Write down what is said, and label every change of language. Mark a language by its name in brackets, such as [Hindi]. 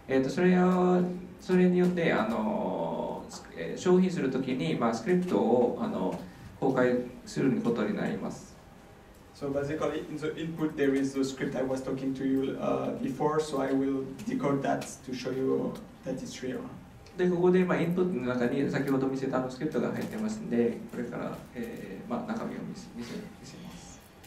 [Japanese] それによってあの消費するときに、まあ、スクリプトをあの公開することになります。 [English] So basically in the input there is the script I was talking to you before, so I will decode that to show you that it's real. [Japanese] でここで、まあ、インプットの中に先ほど見せたのスクリプトが入ってますんで、これから、まあ、中身を見せます。